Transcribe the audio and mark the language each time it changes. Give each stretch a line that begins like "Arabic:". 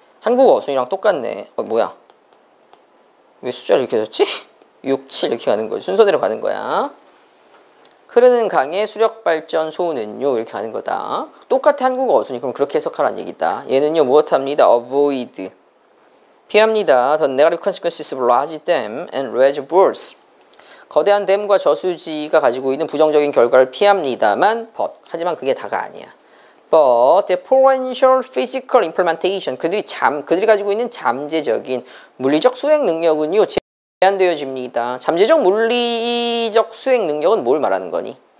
Korean: 한국어 어순이랑 똑같네. 뭐야? 왜 숫자를 이렇게 썼지? 6, 7 이렇게 가는 거지. 순서대로 가는 거야. 흐르는 강의 수력발전소는요. 이렇게 가는 거다. 똑같아 한국어 어순이. 그럼 그렇게 해석하라는 얘기다. 얘는요. 무엇합니다? Avoid. 피합니다.
English: The negative consequences of large dam and reservoirs.
Korean: 거대한 댐과 저수지가 가지고 있는 부정적인 결과를 피합니다만 but. 하지만 그게 다가 아니야.
English: But the potential physical implementation,
Korean: 그들이 가지고 있는 잠재적인 물리적 수행 능력은요, 제한되어집니다. 잠재적 물리적 수행 능력은 뭘 말하는 거니?